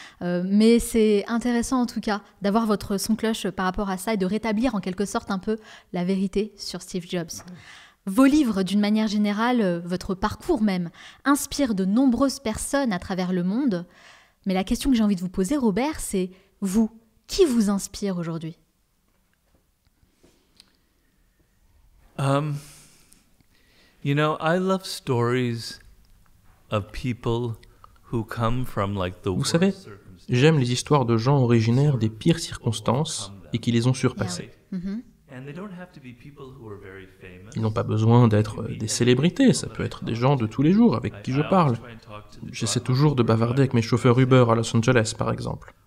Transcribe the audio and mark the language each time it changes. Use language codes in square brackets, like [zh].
[fr] Mais c'est intéressant, en tout cas, d'avoir votre son cloche par rapport à ça et de rétablir, en quelque sorte, un peu la vérité sur Steve Jobs. Vos livres, d'une manière générale, votre parcours même, inspirent de nombreuses personnes à travers le monde. Mais la question que j'ai envie de vous poser, Robert, c'est vous, qui vous inspire aujourd'hui ? [en] You know, I love stories of people who come from like the [fr] Vous savez, j'aime les histoires de gens originaires des pires circonstances et qui les ont surpassées. Ils n'ont pas besoin d'être des célébrités, ça peut être des gens de tous les jours avec qui je parle. J'essaie toujours de bavarder avec mes chauffeurs Uber à Los Angeles, par exemple.